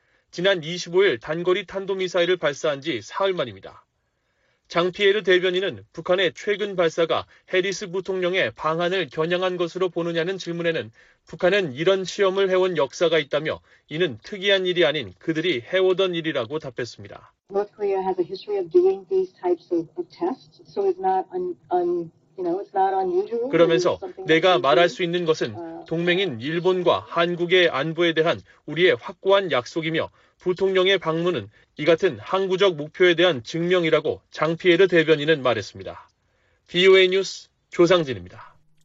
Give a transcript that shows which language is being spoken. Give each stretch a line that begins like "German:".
Korean: 지난 25일 단거리 탄도미사일을 발사한 지 사흘 만입니다. 장피에르 대변인은 북한의 최근 발사가 해리스 부통령의 방한을 겨냥한 것으로 보느냐는 질문에는 북한은 이런 시험을 해온 역사가 있다며 이는 특이한 일이 아닌 그들이 해오던 일이라고 답했습니다.
English: North Korea has a history of doing these types of tests, so it's not it's not unusual.
Korean: 그러면서 내가 말할 수 있는 것은 동맹인 일본과 한국의 안보에 대한 우리의 확고한 약속이며 부통령의 방문은 이 같은 항구적 목표에 대한 증명이라고 장피에르 대변인은 말했습니다. VOA 뉴스 조상진입니다.